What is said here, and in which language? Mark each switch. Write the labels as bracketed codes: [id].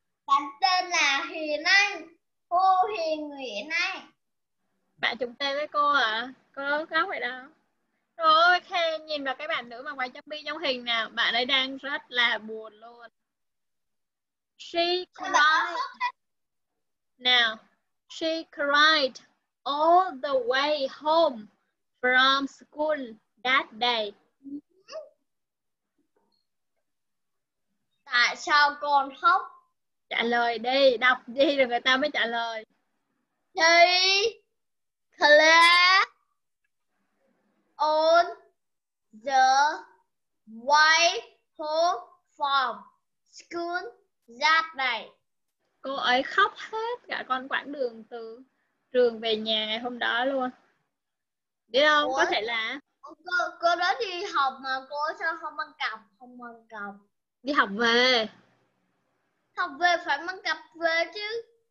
[vi] Bạn tên là Hiền Anh. Cô Hiền Nguyễn Anh. Bạn trùng tên với cô à? Cô khóc vậy đâu. Rồi, ok, nhìn vào cái bạn nữ mà quay trong bi trong hình nào. Bạn ấy đang rất là buồn luôn. [en] She cried. Now, she cried all the way home from school that day. [vi] Tại sao con khóc? Trả lời đi, đọc đi rồi người ta mới trả lời. [en] She cried on the way home from school that day. [vi] Cô ấy khóc hết cả con quãng đường từ trường về nhà ngày hôm đó luôn. Biết không? Ủa? Có thể là... Cô đó đi học mà cô sao không mang cặp? Không mang cặp. Đi học về. Học về phải mang cặp về chứ.